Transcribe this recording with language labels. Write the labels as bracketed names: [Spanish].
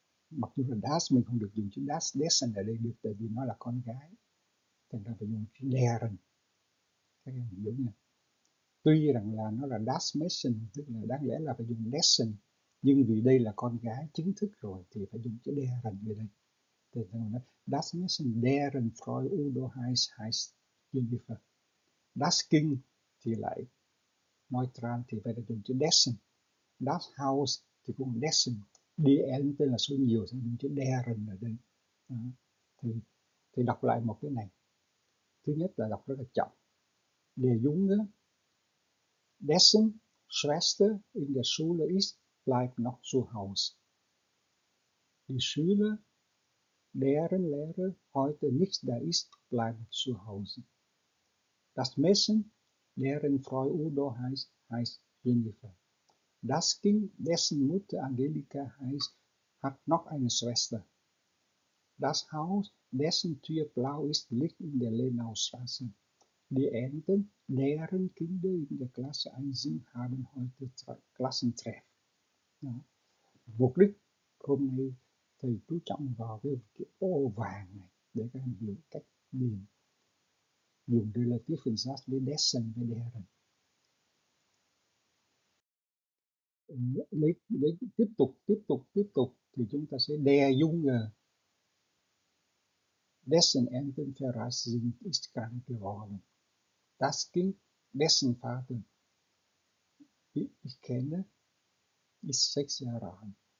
[Vietnamese] Mặc dù là das mình không được dùng chữ das, dessen ở đây được tại vì nó là con gái. Chúng ta phải dùng chữ deren. Các em hiểu nha. Tuy rằng là nó là das Mädchen, tức là đáng lẽ là phải dùng dessen, nhưng vì đây là con gái chính thức rồi thì phải dùng chữ deren ở đây. Thì ta nói [German] das Mädchen deren Frau Udo heißt Jennifer. [Vietnamese] Das Kind thì lại neutral thì phải dùng chữ dessen. Das Haus thì cũng dessen. DL tên là số nhiều sẽ dùng chữ deren ở đây. Đó. Thì đọc lại một cái này. Thứ nhất là đọc rất là chậm. [German] Der Junge dessen Schwester in der Schule ist bleibt noch zu Hause. Die Schüler, deren Lehrer heute nicht da ist, bleibt zu Hause. Das Mädchen, deren Frau Udo heißt Jennifer. Das Kind, dessen Mutter Angelika heißt, hat noch eine Schwester. Das Haus, dessen Tür blau ist, liegt in der Lenaustraße. Die Eltern, deren Kinder in der Klasse 1 sind, haben heute Klassentreff. [Vietnamese] Đó. Mục đích hôm nay thầy chú trọng vào cái ô vàng này để các em hiểu cách điền dùng relative infinitive để dessen với deren. Lấy tiếp tục thì chúng ta sẽ đe dung [German] dessen Eltern verreisen sind ist krank geworden. Das Kind dessen Vater ich kenne ist 6 Jahre alt.